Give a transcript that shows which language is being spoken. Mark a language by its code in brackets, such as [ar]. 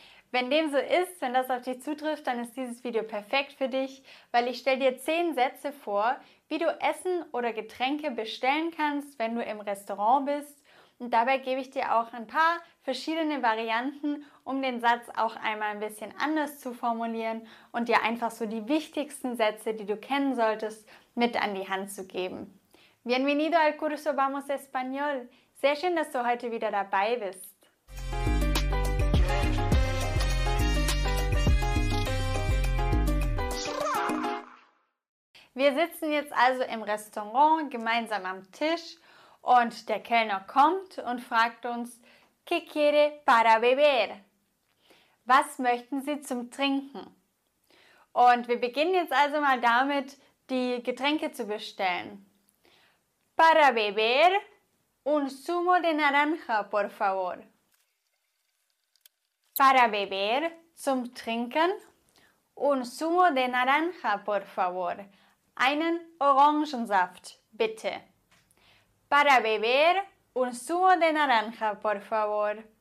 [de] Wenn dem so ist, wenn das auf dich zutrifft, dann ist dieses Video perfekt für dich, weil ich stelle dir 10 Sätze vor, wie du Essen oder Getränke bestellen kannst, wenn du im Restaurant bist. Und dabei gebe ich dir auch ein paar verschiedene Varianten, um den Satz auch einmal ein bisschen anders zu formulieren und dir einfach so die wichtigsten Sätze, die du kennen solltest, mit an die Hand zu geben. [es] Bienvenido al curso Vamos Español. [de] Sehr schön, dass du heute wieder dabei bist. Wir sitzen jetzt also im Restaurant gemeinsam am Tisch und der Kellner kommt und fragt uns, [es] ¿Qué quiere para beber? [de] Was möchten Sie zum Trinken? Und wir beginnen jetzt also mal damit, die Getränke zu bestellen. [es] Para beber, un zumo de naranja, por favor. Para beber, [de] zum Trinken, [es] un zumo de naranja, por favor. [de] Einen Orangensaft, bitte. [es] Para beber, un zumo de naranja, por favor.